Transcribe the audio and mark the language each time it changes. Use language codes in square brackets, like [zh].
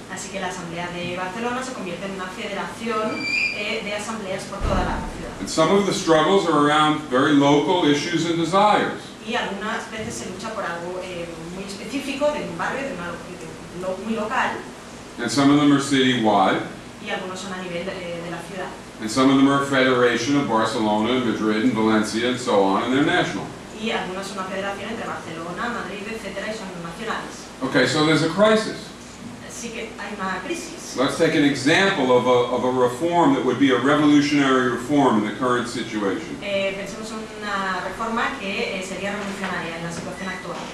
[es] Así que la asamblea de Barcelona se convierte en una federación de asambleas por toda la ciudad. [en] And some of the struggles are around very local issues and desires. [es] Y algunas veces se lucha por algo muy específico de un barrio, de un lo muy local. [en] And some of them are city-wide. [es] Y algunos son a nivel de la ciudad. [en] And some of them are a federation of Barcelona, Madrid, and Valencia, and so on, and they're national. [es] Y algunos son una federación entre Barcelona, Madrid, etcétera, y son nacionales. [en] Okay, so there's a crisis. [es] Así que hay una crisis. [en] Let's take an example of a reform that would be a revolutionary reform in the current situation. [es] Pensemos en una reforma que sería revolucionaria en la situación actual.